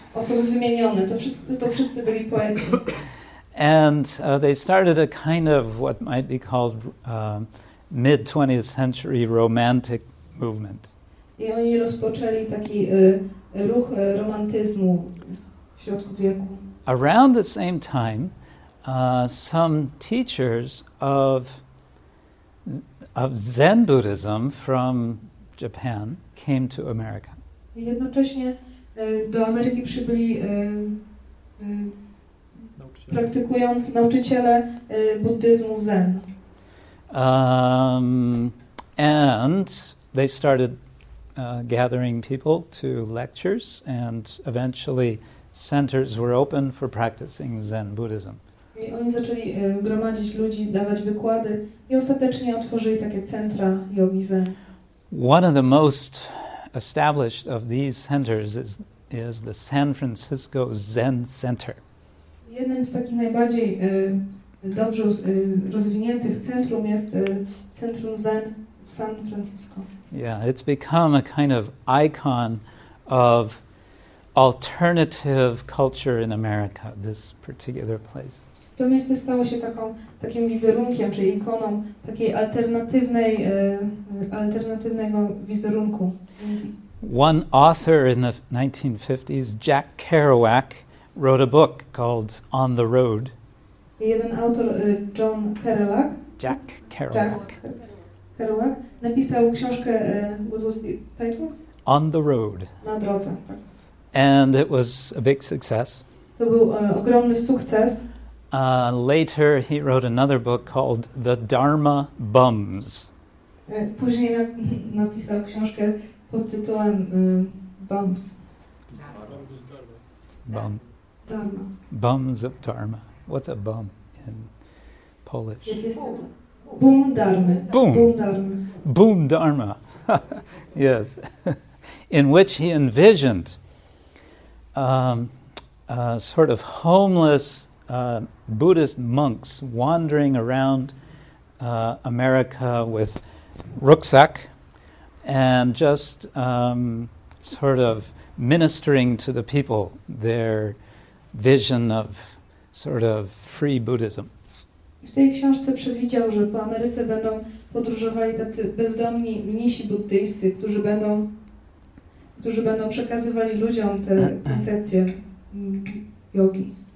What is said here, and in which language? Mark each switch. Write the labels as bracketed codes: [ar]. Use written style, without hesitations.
[pl] Osoby wymienione, to wszyscy byli poeci. [en] And they started a kind of what might be called mid-20th century romantic movement. [pl] I oni rozpoczęli taki ruch romantyzmu w środku wieku. [en] Around the same time, some teachers of Zen Buddhism from Japan came to America. [pl] Jednocześnie do Ameryki przybyli praktykujący nauczyciele buddyzmu Zen. [en] And they started gathering people to lectures, and eventually centers were open for practicing Zen Buddhism. [pl] I oni zaczęli gromadzić ludzi, dawać wykłady i ostatecznie otworzyli takie centra jogi Zen. [en] One of the most established of these centers is the San Francisco Zen Center. [pl] Jednym z takich najbardziej dobrze rozwiniętych centrum jest Centrum Zen w San Francisco. [en] Yeah, it's become a kind of icon of alternative culture in America, this particular place. [pl] To miejsce stało się takim wizerunkiem, czy ikoną takiej alternatywnego wizerunku. [en] One author in the 1950s, Jack Kerouac, wrote a book called On the Road. [pl] Jeden autor, John Kerouac. Jack Kerouac. Jack Kerouac napisał książkę, [en] what was the title? On the Road. [pl] Na drodze. [en] And it was a big success. [pl] To był ogromny sukces. [en] Later, he wrote another book called The Dharma Bums. [pl] Później napisał książkę pod tytułem Bums. Bum. Dharma. [en] Bums of Dharma. What's a bum in Polish? [pl] Bum Dharma. Boom. Bum Dharma. Bum Dharma. Yes. [en] In which he envisioned a sort of homeless Buddhist monks wandering around America with rucksack and just sort of ministering to the people their vision of sort of free Buddhism. [pl] W tej książce przewidział, że po Ameryce będą podróżowali tacy bezdomni mnisi buddyjscy, którzy będą przekazywali ludziom te koncepcje jogi.